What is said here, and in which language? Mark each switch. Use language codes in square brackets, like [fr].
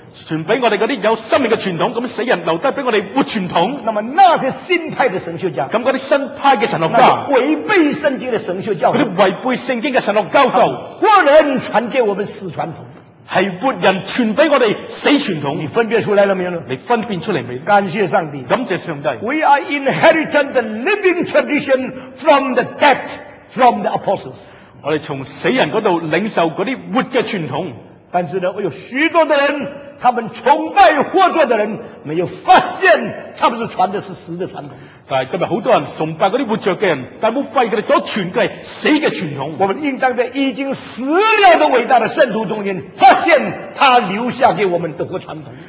[zh] 传给我们那些有生命的传统，死人留下给我们活传统。那么那些新派的神学家，那些新派的神学家，违背圣经的神学教授，那些违背圣经的神学教授，活人传给我们死传统，是活人传给我们死传统。你分辨出来了没有？你分辨出来没有？感谢上帝，感谢上帝。 [en] We are inheriting the living tradition from the death from the apostles， [zh] 我们从死人那里领受那些活的传统。但是呢，我有许多的人，他们崇拜活着的人，没有发现他们是传的是死的传统。但是今天很多人崇拜那些活着的人，但不发现他们所传的是死的传统。我们应当在已经死了的伟大的圣徒中间，发现他留下给我们的活传统。